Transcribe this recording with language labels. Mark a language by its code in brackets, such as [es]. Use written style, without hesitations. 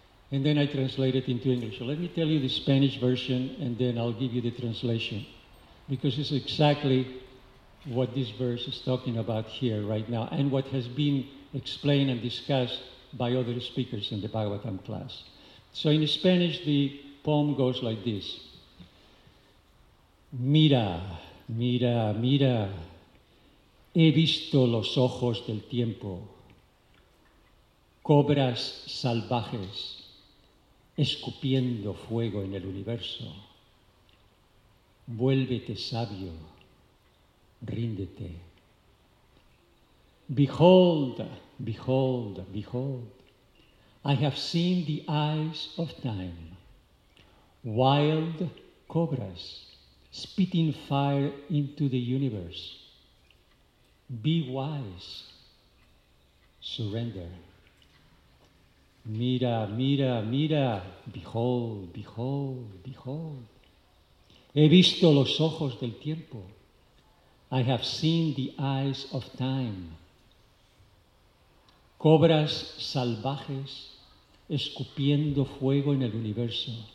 [en] And then I translate it into English. So let me tell you the Spanish version, and then I'll give you the translation, because it's exactly what this verse is talking about here right now, and what has been explained and discussed by other speakers in the Bhagavatam class. So in Spanish, the poem goes like this. [es] Mira, mira, mira, he visto los ojos del tiempo, cobras salvajes, escupiendo fuego en el universo. Vuélvete sabio, ríndete. [en] Behold, behold, behold, I have seen the eyes of time, wild cobras spitting fire into the universe. Be wise, surrender. [es] Mira, mira, mira, [en] behold, behold, behold. [es] He visto los ojos del tiempo. [en] I have seen the eyes of time. [es] Cobras salvajes escupiendo fuego en el universo.